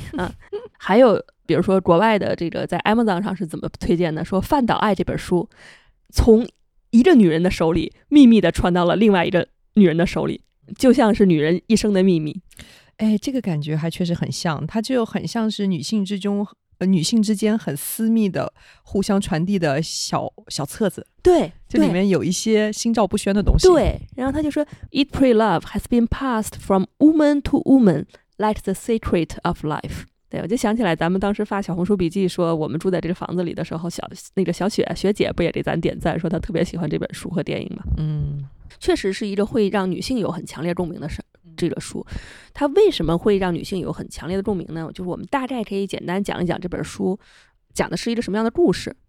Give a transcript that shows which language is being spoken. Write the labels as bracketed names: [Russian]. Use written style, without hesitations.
[Chinese] 啊，还有比如说国外的这个在 Amazon 上是怎么推荐的，说范岛爱这本书从一个女人的手里秘密的传到了另外一个女人的手里，就像是女人一生的秘密。哎，这个感觉还确实很像，它就很像是女性之中女性之间很私密的互相传递的小小册子。对，这里面有一些心照不宣的东西。对，然后他就说 [English] Eat pray love has been passed from woman to woman like the secret of life。 [Chinese] 对，我就想起来咱们当时发小红书笔记说我们住在这个房子里的时候，小那个小雪学姐不也给咱点赞说她特别喜欢这本书和电影吗？嗯，确实是一个会让女性有很强烈共鸣的事。这个书它为什么会让女性有很强烈的共鸣呢？就是我们大概可以简单讲一讲这本书讲的是一个什么样的故事。